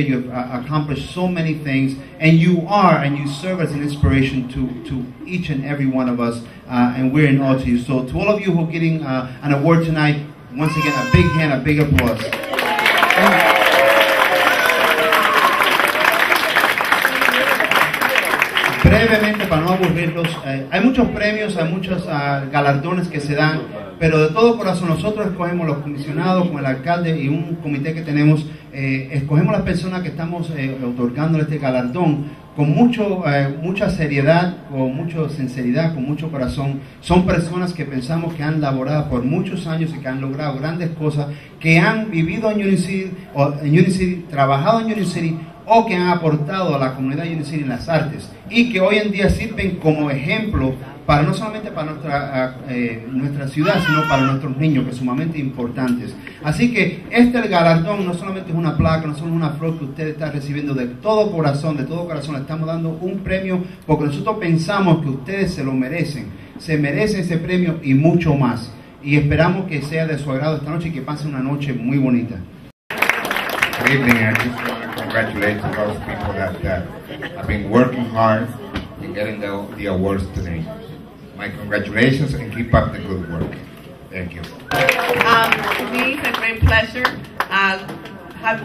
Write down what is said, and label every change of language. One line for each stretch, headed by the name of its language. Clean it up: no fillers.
English: You have accomplished so many things, and you are, and you serve as an inspiration to each and every one of us, and we're in awe to you. So to all of you who are getting an award tonight, once again, a big hand, a big applause.
Spanish: Brevemente, para no aburrirlos, hay muchos premios, hay muchos galardones que se dan, pero de todo corazón nosotros escogemos los comisionados con el alcalde y un comité que tenemos, escogemos las personas que estamos otorgando este galardón con mucha seriedad, con mucha sinceridad, con mucho corazón. Son personas que pensamos que han laborado por muchos años y que han logrado grandes cosas, que han vivido en Union City, trabajado en Union City, o que han aportado a la comunidad Union City en las artes y que hoy en día sirven como ejemplo para no solamente para nuestra nuestra ciudad, sino para nuestros niños, que son sumamente importantes. Así que este galardón no solamente es una placa, no solo es una flor que usted está recibiendo de todo corazón, le estamos dando un premio porque nosotros pensamos que ustedes se lo merecen, se merecen ese premio y mucho más. Y esperamos que sea de su agrado esta noche y que pase una noche muy bonita.
English: Good evening, I just want to congratulate those people that have been working hard in getting the awards today. My congratulations and keep up the good work. Thank you. To me, it's a great pleasure.